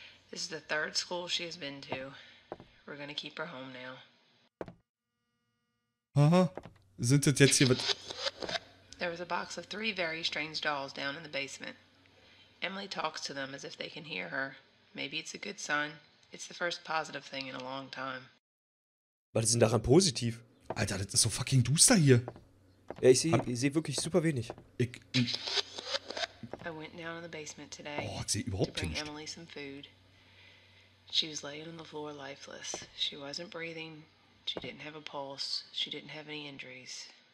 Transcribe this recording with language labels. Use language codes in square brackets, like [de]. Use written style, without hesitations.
[en] This is the third school she has been to. We're gonna keep her home now. [de] Aha. Sind das jetzt hier was? [en] There was a box of three very strange dolls down in the basement. Emily talks to them as if they can hear her. Maybe it's a good sign. It's the first positive thing in a long time. [de] Was ist denn daran positiv? Alter, das ist so fucking duster hier. Ja, ich seh wirklich super wenig. [en] I went down in the basement today to bring Emily some food. She was laying on the floor lifeless. She wasn't breathing. She didn't have a pulse. She didn't have any injuries.